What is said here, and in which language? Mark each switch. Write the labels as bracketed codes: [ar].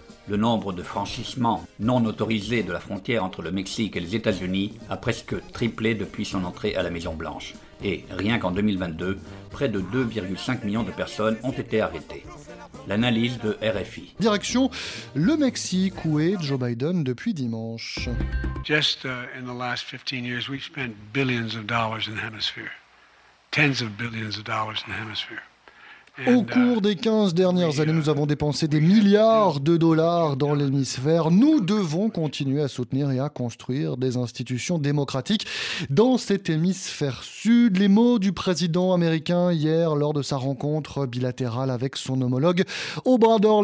[fr] Le nombre de franchissements non autorisés de la frontière entre le Mexique et les États-Unis a presque triplé depuis son entrée à la Maison-Blanche. Et rien qu'en 2022, près de 2,5 millions de personnes ont été arrêtées. L'analyse de RFI. Direction le Mexique, où est Joe Biden depuis dimanche. [en] Just in the last 15 years, we've spent billions of dollars in the hemisphere. Tens of billions of dollars in the hemisphere. [fr] Au cours des 15 dernières années, nous avons dépensé des milliards de dollars dans l'hémisphère. Nous devons continuer à soutenir et à construire des institutions démocratiques dans cet hémisphère sud. Les mots du président américain hier lors de sa rencontre bilatérale avec son homologue Obrador.